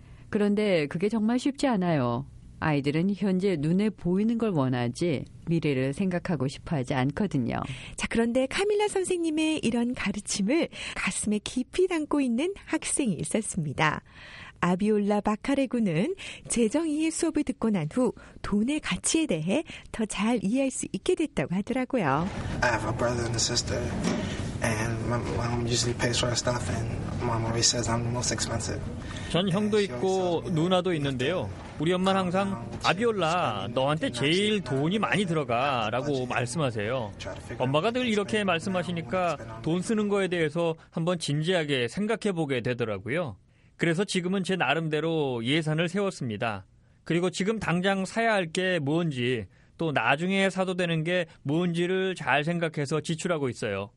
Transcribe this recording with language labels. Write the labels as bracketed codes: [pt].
[ko] 그런데 그게 정말 쉽지 않아요. 아이들은 현재 눈에 보이는 걸 원하지 미래를 생각하고 싶어 하지 않거든요. 자, 그런데 카밀라 선생님의 이런 가르침을 가슴에 깊이 담고 있는 학생이 있었습니다. 아비올라 바카레구는 재정이해 수업을 듣고 난 후 돈의 가치에 대해 더 잘 이해할 수 있게 됐다고 하더라고요. [en] I have a brother and a sister and my mom usually pays for our stuff and mom always says I'm the most expensive. [ko] 전 형도 있고 누나도 있는데요. 우리 엄마는 항상 아비올라 너한테 제일 돈이 많이 들어가 라고 말씀하세요. 엄마가 늘 이렇게 말씀하시니까 돈 쓰는 거에 대해서 한번 진지하게 생각해보게 되더라고요. 그래서 지금은 제 나름대로 예산을 세웠습니다. 그리고 지금 당장 사야 할 게 뭔지 또 나중에 사도 되는 게 뭔지를 잘 생각해서 지출하고 있어요.